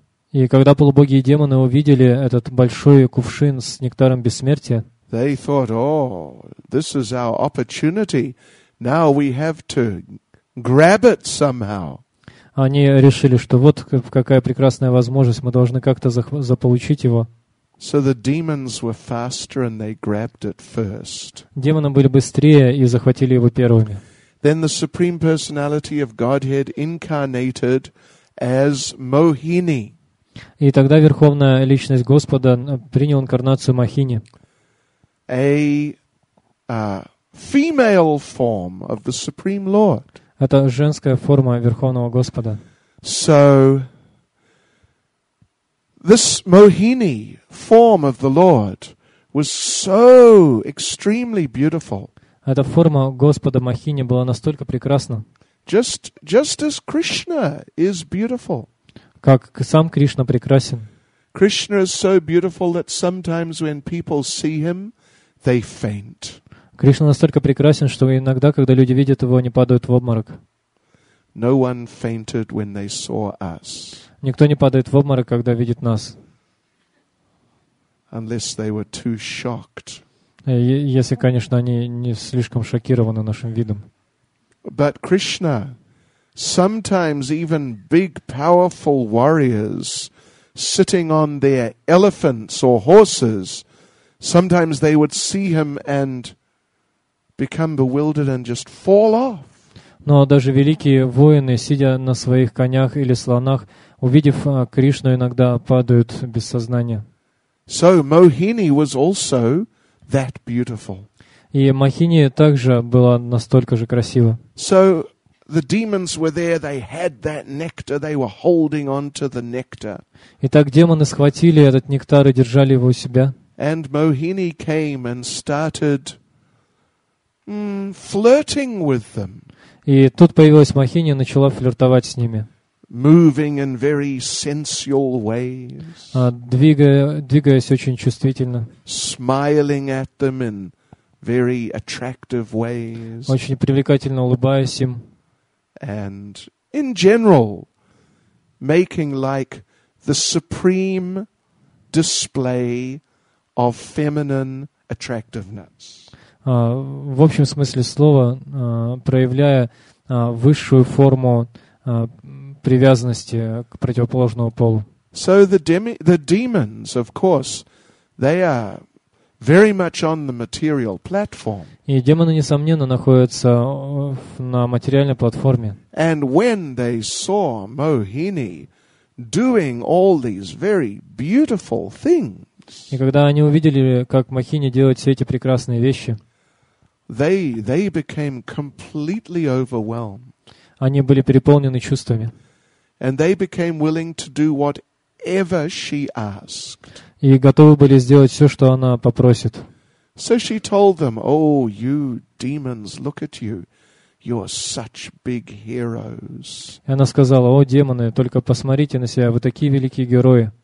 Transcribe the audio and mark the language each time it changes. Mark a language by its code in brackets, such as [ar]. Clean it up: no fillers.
[ru] И когда полубоги и демоны увидели этот большой кувшин с нектаром бессмертия, [en] they thought, oh, this is our opportunity. Now we have to grab it somehow. [ru] Они решили, что вот какая прекрасная возможность, мы должны как-то заполучить его. [en] So the demons were faster and they grabbed it first. [ru] Демоны были быстрее и захватили его первыми. [en] Then the Supreme Personality of Godhead incarnated as Mohini. [ru] И тогда Верховная Личность Господа принял инкарнацию Мохини. [en] A female form of the Supreme Lord. [ru] Это женская форма Верховного Господа. [en] So this Mohini form of the Lord was so extremely beautiful. [ru] Эта форма Господа Мохини была настолько прекрасна. [en] Just as Krishna is beautiful. [ru] Как сам Кришна прекрасен. [en] Krishna is so beautiful that sometimes when people see him, they faint. [ru] Кришна настолько прекрасен, что иногда, когда люди видят его, они падают в обморок. [en] No one fainted when they saw us. [ru] Никто не падает в обморок, когда видит нас. [en] Unless they were too shocked. [ru] Если, конечно, они не слишком шокированы нашим видом. [en] But Krishna, sometimes even big, powerful warriors sitting on their elephants or horses, sometimes they would see him and become bewildered and just fall off. [ru] Но даже великие воины, сидя на своих конях или слонах, увидев Кришну, иногда падают без сознания. [en] So Mohini was also that beautiful. [ru] И Мохини также была настолько же красива. [en] So the demons were there, they had that nectar, they were holding on to the nectar. [ru] Итак, демоны схватили этот нектар и держали его у себя. [en] And Mohini came and started flirting with them. [ru] И тут появилась Мохини и начала флиртовать с ними. [en] Moving in very sensual ways. [ru] Двигаясь очень чувствительно. [en] Smiling at them in very attractive ways. [ru] Очень привлекательно улыбаясь им. [en] And in general, making like the supreme display of feminine attractiveness. [ru] В общем смысле слова, проявляя высшую форму привязанности к противоположному полу. [en] So the demons, of course, they are very much on the material platform. [ru] И демоны, несомненно, находятся на материальной платформе. [en] And when they saw Mohini doing all these very beautiful things, [ru] и когда они увидели, как Мохини делает все эти прекрасные вещи, [en] they became completely overwhelmed. [ru] Они были переполнены чувствами. [en] And they became willing to do whatever she asked. [ru] И готовы были сделать все, что она попросит. [en] So she told them, "Oh, you demons, look at you. You're such big heroes." [ru] И она сказала: "О, демоны, только посмотрите на себя, вы такие великие герои."